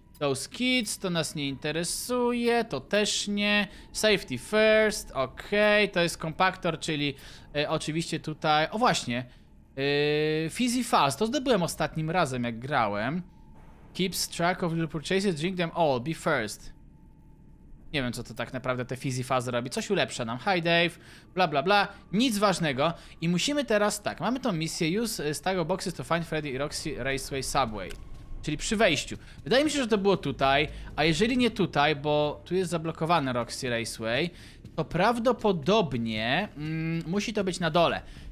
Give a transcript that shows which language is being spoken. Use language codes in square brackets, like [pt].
[en] Those kids, [pl] to nas nie interesuje, to też nie. [en] Safety first, [pl] okej. To jest kompaktor, czyli oczywiście tutaj... O właśnie, Fizzy Fast, to zdobyłem ostatnim razem, jak grałem. [en] Keeps track of your purchases, drink them all, be first. [pl] Nie wiem, co to tak naprawdę te Fizzy Fuzz robi. Coś ulepsza nam. Hi Dave, bla bla bla. Nic ważnego. I musimy teraz tak. Mamy tą misję. [en] Use Stago Boxes to find Freddy [pl] i Roxy Raceway Subway. czyli przy wejściu. Wydaje mi się, że to było tutaj, a jeżeli nie tutaj, bo tu jest zablokowane Roxy Raceway, to prawdopodobnie musi to być na dole.